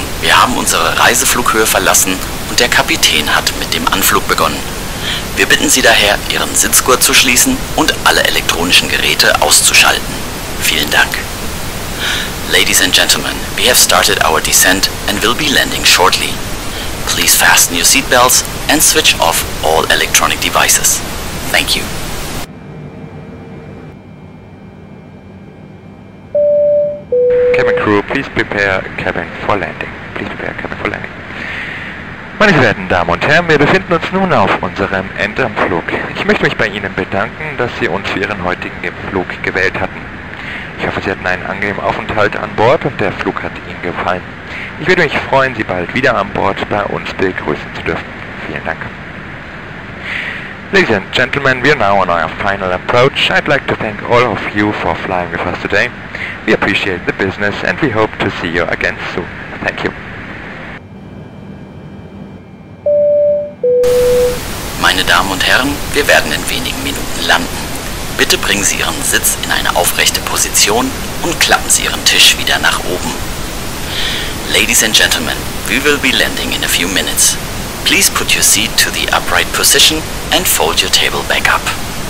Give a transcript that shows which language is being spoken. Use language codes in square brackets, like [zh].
[de] haben unsere Reiseflughöhe verlassen und der Kapitän hat mit dem Anflug begonnen. Wir bitten Sie daher, Ihren Sitzgurt zu schließen und alle elektronischen Geräte auszuschalten. Vielen Dank. [en] Ladies and gentlemen, we have started our descent and will be landing shortly. Please fasten your seatbelts and switch off all electronic devices. Thank you. Cabin crew, please prepare cabin for landing. Please prepare cabin for landing. [de] Meine verehrten Damen und Herren, wir befinden uns nun auf unserem Endanflug. Ich möchte mich bei Ihnen bedanken, dass Sie uns für Ihren heutigen Flug gewählt hatten. Ich hoffe, Sie hatten einen angenehmen Aufenthalt an Bord und der Flug hat Ihnen gefallen. Ich würde mich freuen, Sie bald wieder an Bord bei uns begrüßen zu dürfen. Vielen Dank. [en] Ladies and gentlemen, we are now on our final approach. I'd like to thank all of you for flying with us today. We appreciate the business and we hope to see you again soon. Thank you. [de] Meine Damen und Herren, wir werden in wenigen Minuten landen. Bitte bringen Sie Ihren Sitz in eine aufrechte Position und klappen Sie Ihren Tisch wieder nach oben. [en] Ladies and gentlemen, we will be landing in a few minutes. Please put your seat to the upright position and fold your table back up.